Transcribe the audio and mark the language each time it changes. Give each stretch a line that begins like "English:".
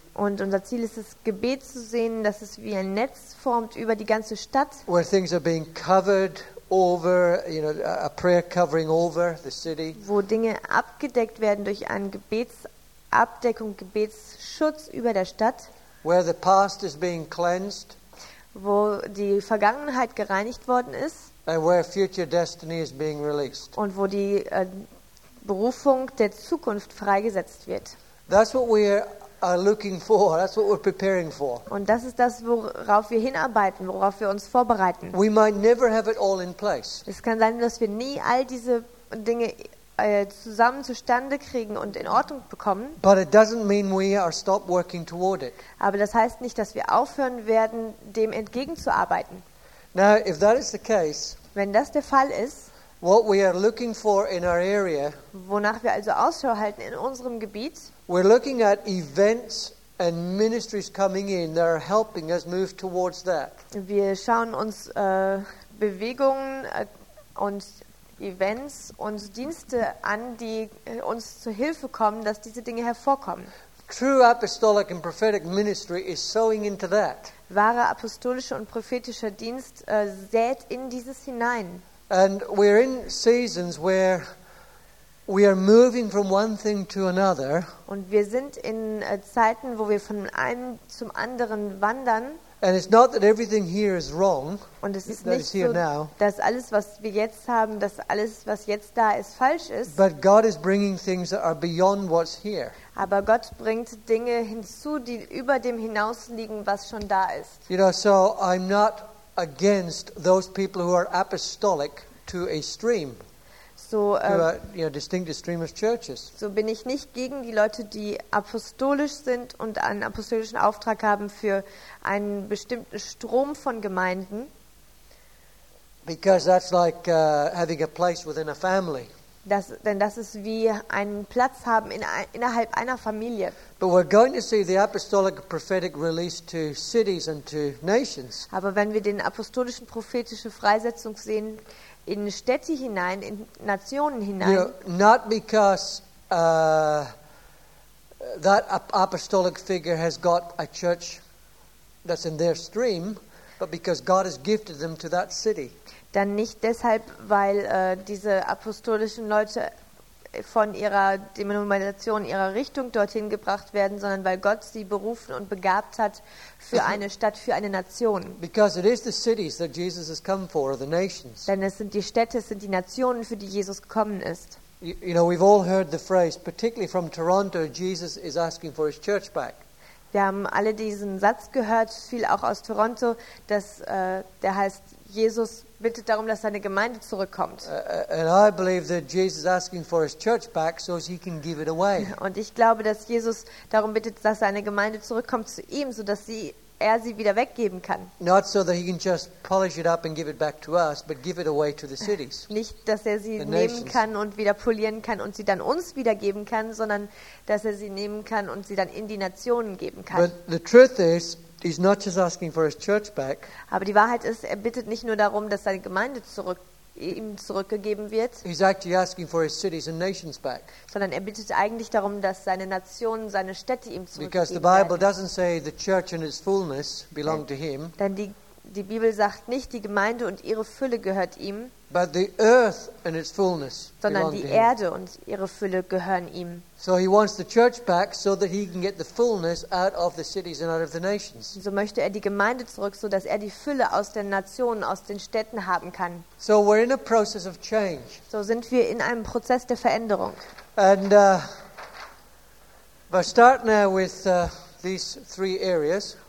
German: Und unser Ziel ist es, Gebet zu sehen, dass es wie ein Netz formt über die ganze Stadt.
English: Where things are being covered over, you know, a prayer covering over the city.
German: Wo Dinge abgedeckt werden durch ein Gebetsabdeckung, Gebetsschutz über der Stadt,
English: where the past is being cleansed,
German: wo die Vergangenheit gereinigt worden ist,
English: and where future destiny is being released,
German: und wo die Berufung der Zukunft freigesetzt wird.
English: That's what we are looking for. That's what we're preparing for.
German: Und das ist das, worauf wir hinarbeiten, worauf wir uns vorbereiten.
English: We might never have it all in place.
German: Es kann sein, dass wir nie all diese Dinge zusammen zustande kriegen und in Ordnung bekommen.
English: But it doesn't mean we are stop working toward it.
German: Aber das heißt nicht, dass wir aufhören werden, dem entgegenzuarbeiten.
English: Now, if that is the case,
German: wenn das der Fall ist,
English: what we are looking for in our area,
German: wonach wir also Ausschau halten in unserem Gebiet,
English: we're looking at events and ministries coming in that are helping us move towards that.
German: Wir schauen uns Bewegungen und Events und Dienste an, die uns zu Hilfe kommen, dass diese Dinge hervorkommen.
English: True apostolic and prophetic ministry is sowing into that.
German: Wahrer apostolischer und prophetischer Dienst sät in dieses hinein.
English: And we're in seasons where we are moving from one thing to another.
German: Und wir sind in Zeiten, wo wir von einem zum anderen wandern.
English: And it's not that everything here is wrong.
German: Und es ist nicht so, dass alles, was wir jetzt haben, dass alles, was jetzt da ist, falsch ist.
English: But God is bringing things that are beyond what's here.
German: Aber Gott bringt Dinge hinzu, die über dem hinausliegen, was schon da ist.
English: You know, so I'm not against those people who are apostolic to a stream. So, distinct stream of churches.
German: So bin ich nicht gegen die Leute, die apostolisch sind und einen apostolischen Auftrag haben für einen bestimmten Strom von Gemeinden.
English: Because that's like having a place within a family.
German: Denn das ist wie einen Platz haben innerhalb einer Familie.
English: But we're going to see the apostolic prophetic release to cities and to nations.
German: Aber wenn wir den apostolischen prophetische Freisetzung sehen in Städte hinein, in Nationen hinein.
English: You know, not because that apostolic figure has got a church that's in their stream, but because God has gifted them to that city.
German: Dann nicht deshalb, weil diese apostolischen Leute von ihrer Denomination, ihrer Richtung dorthin gebracht werden, sondern weil Gott sie berufen und begabt hat für eine Stadt, für eine Nation.
English: Because it is the cities that Jesus has come for, the nations.
German: Denn es sind die Städte, es sind die Nationen, für die Jesus gekommen ist.
English: You know, we've all heard the phrase, particularly from Toronto, Jesus is asking for his church back.
German: Wir haben alle diesen Satz gehört, viel auch aus Toronto, dass der heißt, Jesus bittet darum, dass seine Gemeinde zurückkommt.
English: And I believe that Jesus is asking for his church back so he can give it away.
German: Und ich glaube, dass Jesus darum bittet, dass seine Gemeinde zurückkommt zu ihm, so dass er sie wieder weggeben kann.
English: Not so that he can just polish it up and give it back to us, but give it away to the cities.
German: Nicht, dass er sie nehmen kann und wieder polieren kann und sie dann uns wiedergeben kann, sondern dass er sie nehmen kann und sie dann in die Nationen geben kann.
English: But the truth is, he's not just asking for his church back.
German: Aber die Wahrheit ist, er bittet nicht nur darum, dass seine Gemeinde ihm zurückgegeben wird.
English: He's actually asking for his cities and nations back.
German: Sondern er bittet eigentlich darum, dass seine Nationen, seine Städte ihm zurückgegeben werden.
English: Because the Bible doesn't say the church and its fullness belong to him.
German: Denn die Bibel sagt nicht, die Gemeinde und ihre Fülle gehört ihm.
English: But the earth and its fullness belong to him.
German: Sondern die Erde und ihre Fülle gehören ihm.
English: So he wants the church back so that he can get the fullness out of the cities and out of the nations.
German: So möchte er die Gemeinde zurück, so dass er die Fülle aus den Nationen, aus den Städten haben kann.
English: So we're in a process of change.
German: So sind wir in einem Prozess der Veränderung.
English: And we'll start now with these three areas.